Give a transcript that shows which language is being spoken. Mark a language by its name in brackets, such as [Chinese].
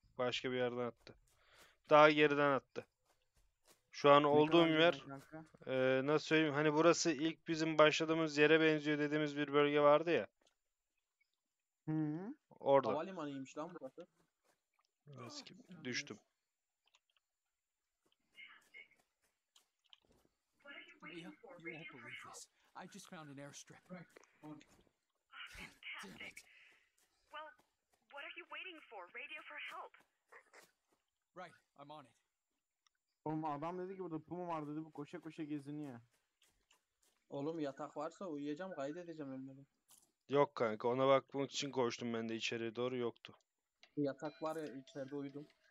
[Turkish] Başka bir yerden attı. Daha geriden attı. Şu an Ne olduğum kadar yer, geride kanka? nasıl söyleyeyim? Hani burası ilk bizim başladığımız yere benziyor dediğimiz bir bölge vardı ya. Hı. Orada. Havalimanıymış lan burası. Biraz kim? Yanlış. Düştüm. [English] Leah, you won't believe this. I just found an airstrip. Right. Damn it. Well, what are you waiting for? Radio for help. Right, I'm on it. [Turkish] Oğlum adam dedi ki burada puma var dedi, bu koşa koşa geziniyor. Oğlum yatak varsa uyuyacağım, kaydedeceğim ömrümü. Yok kanka, ona bakmak için koştum ben de içeriye doğru, yoktu. Yatak var ya, içeride uyudum.